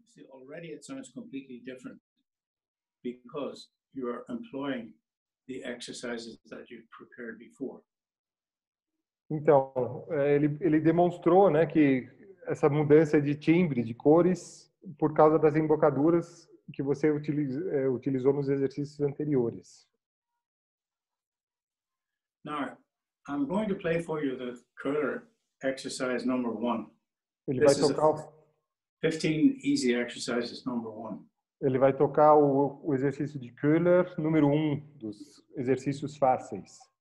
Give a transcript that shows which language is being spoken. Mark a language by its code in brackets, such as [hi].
[en] Already it sounds completely different because you are employing the exercises that you prepared before. [pt] Então, ele demonstrou, né, que essa mudança de timbre, de cores, por causa das embocaduras que você utilizou nos exercícios anteriores. [en] Now, I'm going to play for you the curler exercise number one. [pt] Ele vai tocar [en] 15 easy exercises, number one. [pt] Ele vai tocar o exercício de Köhler, número 1, dos exercícios fáceis.